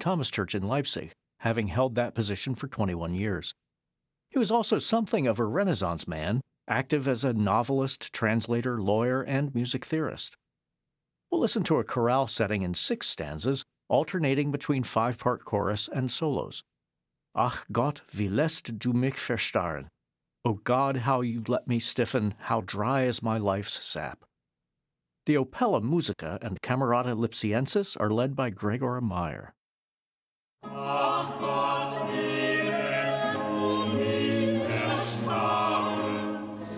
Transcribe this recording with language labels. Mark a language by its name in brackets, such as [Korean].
[English] Thomas Church in Leipzig, having held that position for 21 years. He was also something of a Renaissance man, active as a novelist, translator, lawyer, and music theorist. We'll listen to a chorale setting in six stanzas, alternating between five-part chorus and solos. [German] Ach Gott, wie lässt du mich verstarren? [English] O God, how you let me stiffen, how dry is my life's sap. The Opella Musica and Camerata Lipsiensis are led by Gregor Meyer. [German] Ach Gott, wie lässt du mich verstarren?